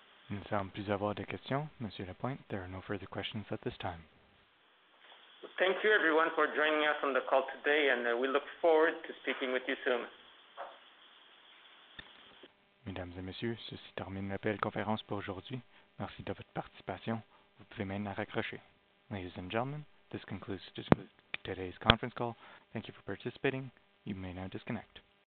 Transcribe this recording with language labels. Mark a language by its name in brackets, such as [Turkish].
[French] Il ne semble plus avoir de questions, Monsieur Lapointe. [English] There are no further questions at this time. Thank you, everyone, for joining us on the call today, and we look forward to speaking with you soon. [French] Mesdames et messieurs, ceci termine l'appel conférence pour aujourd'hui. Merci de votre participation. Vous pouvez maintenant raccrocher. [English] Ladies and gentlemen, this concludes today's conference call. Thank you for participating. You may now disconnect.